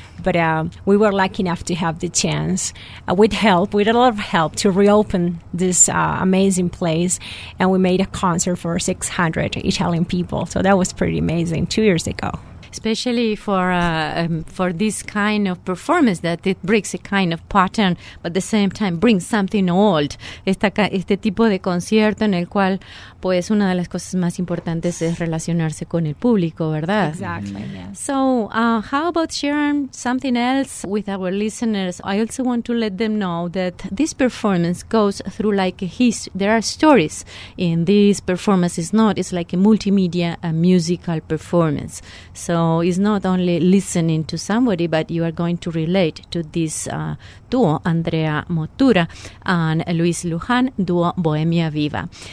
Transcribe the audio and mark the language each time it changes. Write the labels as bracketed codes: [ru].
[en] But we were lucky enough to have the chance with a lot of help to reopen this amazing place. And we made a concert for 600 Italian people. So that was pretty amazing 2 years ago. Especially for this kind of performance, that it breaks a kind of pattern, but at the same time brings something old. [es] Este tipo de concierto en el cual, pues, una de las cosas más importantes es relacionarse con el público, ¿verdad? [en] Exactly. Yes. So, how about sharing something else with our listeners? I also want to let them know that this performance goes through like a history. There are stories in this performance. It's like a multimedia, a musical performance. So. So it's not only listening to somebody, but you are going to relate to this duo, Andrea Motura and Luis Luján, duo Bohemia Viva.